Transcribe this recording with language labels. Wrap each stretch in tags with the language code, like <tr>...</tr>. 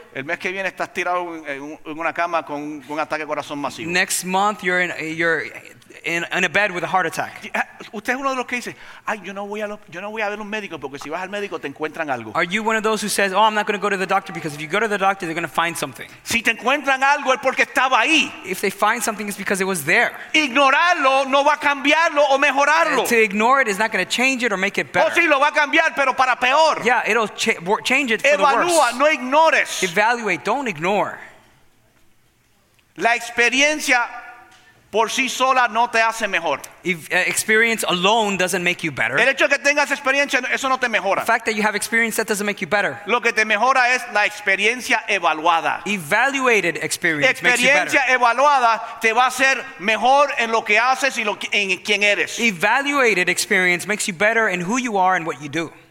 <es>El mes que viene estás tirado en una cama con un ataque de corazón masivo.</es> <en>Next month you're in a bed with a heart attack.</en> <es>Usted es uno de los que dice, ay, yo no voy a ver un médico porque si vas al médico te encuentran algo.</es> <en>Are you one of those who says, oh, I'm not going to go to the doctor because if you go to the doctor they're going to find something.</en> <es>Si te encuentran algo es porque estaba ahí.</es> <en>If they find something it's because it was there.</en> <es>Ignorarlo no va a cambiarlo o mejorarlo.</es> <en>To ignore it is not going to change it or make it better.</en> <es>Oh, sí, lo va a cambiar, pero para peor.</es> <en>Yeah, it'll change it for</en> <es>evalúa,</es> <en>the worse.</en> <es>No ignores.</es> <en>Evaluate, don't ignore.</en> <es>La experiencia por sí sola no te hace mejor.</es> <en>If experience alone doesn't make you better.</en> <es>El hecho que tengas experiencia, eso no te mejora.</es> <en>The fact that you have experience, that doesn't make you better.</en> <es>Lo que te mejora es la experiencia evaluada.</es> <en>Evaluated experience makes you better.</en> <es>Experiencia evaluada te va a hacer mejor en lo que haces y en quién eres.</es> <en>Evaluated experience makes you better in who you are and what you do.</en>